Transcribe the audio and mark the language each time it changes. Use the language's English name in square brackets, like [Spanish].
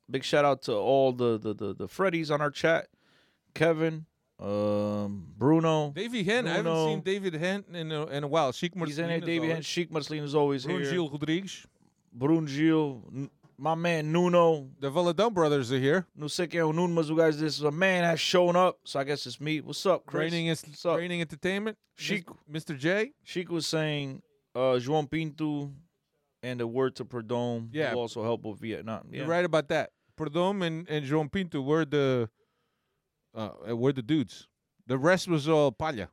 [English] Big shout out to all the Freddies on our chat. Kevin, Bruno. David Hent. I haven't seen David Hent in a while. Sheik Marceline. He's in here. David Hent. Sheik Marceline is always Bruno here. Bruno Gil Rodrigues. Bruno Gil. My man, Nuno. The Valadão brothers are here. [Portuguese] Não sei quem é o Nuno, mas o [English] guys, this is a man has shown up. So I guess it's me. What's up, Chris? What's up? Training Entertainment. Sheik. Mr. J. Sheik was saying, João Pinto. And a word to Perdom, yeah, who also helped with Vietnam. Yeah. You're right about that. Perdom and João Pinto were the dudes. The rest was all palha.